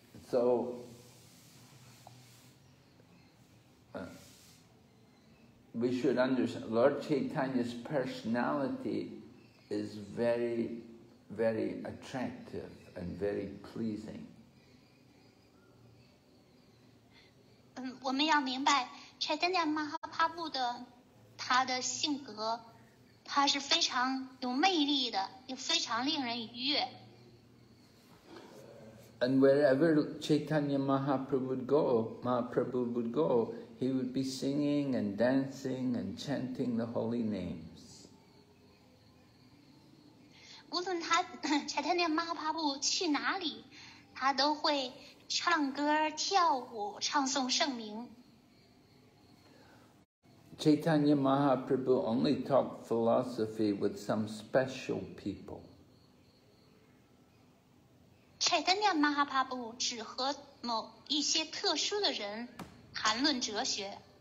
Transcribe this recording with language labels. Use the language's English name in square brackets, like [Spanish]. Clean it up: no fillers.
[English] So, we should understand, Lord Chaitanya's personality is very, very attractive and very pleasing. [Chinese] 我们要明白柴丹尼亚马哈帕布的他的性格他是非常有魅力的也非常令人愉悦。 [English] And wherever Chaitanya Mahaprabhu would go, Mahaprabhu would go, he would be singing and dancing and chanting the holy names. [Chinese] 无论他柴丹尼亚马哈帕布去哪里他都会唱歌跳舞唱诵圣名。 [English] Chaitanya Mahaprabhu only talked philosophy with some special people. [Chinese] Chaitanya Mahaprabhu 只和某一些特殊的人谈论哲学。